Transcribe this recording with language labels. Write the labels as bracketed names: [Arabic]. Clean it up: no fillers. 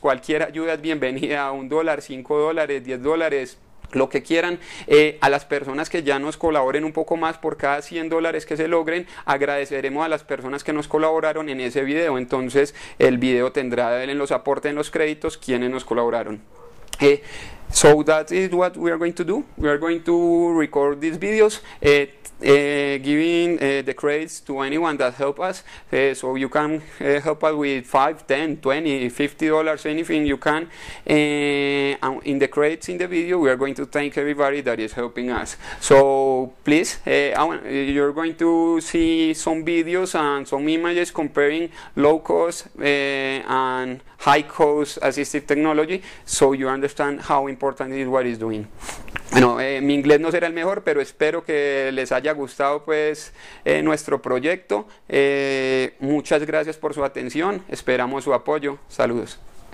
[Spanish] Cualquier ayuda es bienvenida. $1, $5, $10. Lo que quieran, a las personas que ya nos colaboren un poco más, por cada $100 que se logren, agradeceremos a las personas que nos colaboraron en ese video. Entonces, el video tendrá en los aportes, en los créditos, quienes nos colaboraron. [English] So that is what we are going to do. We are going to record these videos, giving the credits to anyone that help us. So you can help us with $5, $10, $20, $50, anything you can. In the credits in the video, we are going to thank everybody that is helping us. So please, you're going to see some videos and some images comparing low cost and high cost assistive technology, so you understand how important it is what it's doing. [Spanish] Bueno, mi inglés no será el mejor, pero espero que les haya gustado pues nuestro proyecto. Muchas gracias por su atención. Esperamos su apoyo. Saludos.